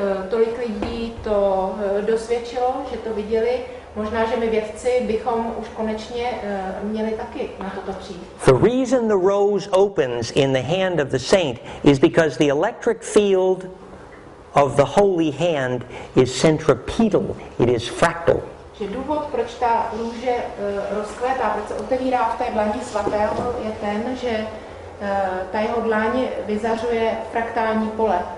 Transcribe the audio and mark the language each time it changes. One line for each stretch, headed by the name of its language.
Czech: Tolik lidí to dosvědčilo, že to viděli. Možná, že my vědci bychom už konečně měli taky na toto přijít.
English: The reason the rose opens in the hand of the saint is because the electric field of the holy hand is centripetal. It is fractal.
Czech: Že důvod, proč ta růže rozkvétá, proč se otevírá v té dlani svatého, je ten, že ta jeho dlaň vyzařuje fraktální pole.